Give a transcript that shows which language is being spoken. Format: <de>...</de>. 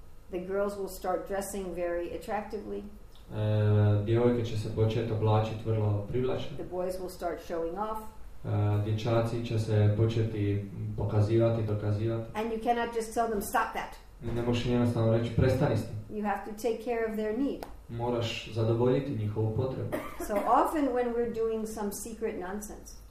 <en>The girls will start dressing very attractively.</en> <hr>Djevojke će se početi oblačiti vrlo privlačno.</hr> <en>The boys will start showing off.</en> <hr>Dječaci će se početi pokazivati, dokazivati.</hr> <en>And you cannot just tell them stop that.</en> <hr>Ne možeš jednostavno reći prestani s tim.</hr> <en>You have to take care of their need.</en> <hr>Moraš zadovoljiti njihovu potrebu.</hr> <en>So often when we're doing some secret nonsense.</en>